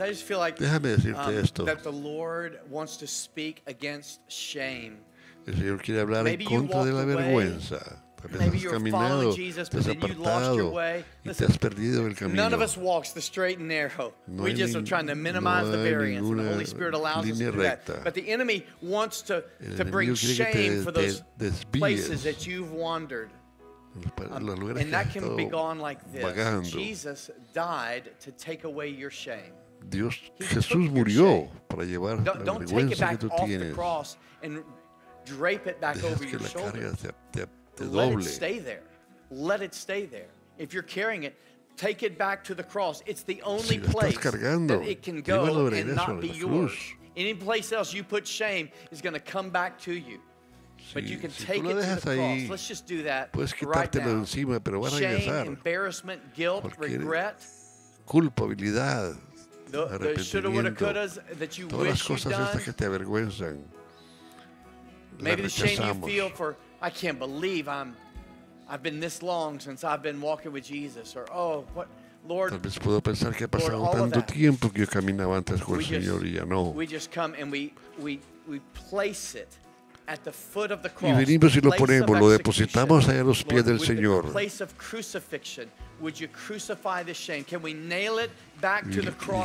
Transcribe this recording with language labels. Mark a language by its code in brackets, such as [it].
[en] I just feel like that the Lord wants to speak against shame. [es] El Señor quiere hablar en contra de la vergüenza. [en] Maybe you're following Jesus, but then you lost your way. Listen, [es] te has perdido el camino. [en] None of us walks the straight and narrow. No, we just are trying to minimize the variance. And the Holy Spirit allows us to do that. But the enemy wants to bring shame for those places that you've wandered. And that can be gone like this. [es] Vagando. [en] Jesus died to take away your shame. [es] Dios, Jesús murió para llevar la vergüenza que tú tienes. [en] Don't take it back off the cross and drape it back over your shoulders. Let it stay there. Let it stay there. If you're carrying it, take it back to the cross. It's the only place [es] cargando, [en] that it can go and not be yours. Any place else you put shame is going to come back to you. But you can take it to the cross. Let's just do that right now. [es] Encima, [en] shame, embarrassment, guilt, regret, [es] culpabilidad, [en] the shoulda, woulda, couldas that you wish you'd done. Maybe [es] rechazamos. [en] The shame you feel for, I can't believe I've been this long since I've been walking with Jesus. Or, oh, what, Lord, [es] tal vez puedo pensar que ha pasado tanto tiempo que yo caminaba antes con el Señor y ya no. [en] We just come and we place it. At the foot of the cross, [es] y venimos y lo ponemos, lo depositamos allá a los pies, [en] Lord, [es] del Señor. [en] Place of crucifixion, would you crucify the shame? Can we nail it back to the cross?